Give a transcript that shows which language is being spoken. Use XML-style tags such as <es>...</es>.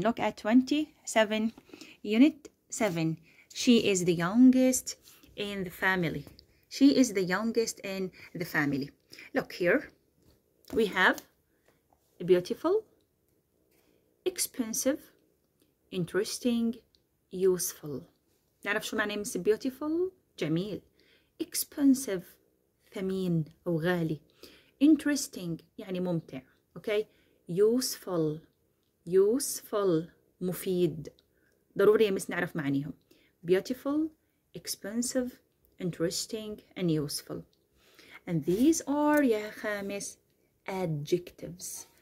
<en>Look at 27. Unit 7. She is the youngest in the family. She is the youngest in the family. Look here. We have beautiful, expensive, interesting, useful.</en> <ar>نعرف شو معنى مس beautiful؟ جميل. Expensive ثمين أو غالي.</ar> <en>Interesting يعني ممتع. Okay. Useful. Useful مفيد.</en> <ar>ضروري مس نعرف معانيهم.</ar> <en>Beautiful, expensive, interesting and useful. And these are</en> <ar>يا خامس</ar> <en>adjectives.</en>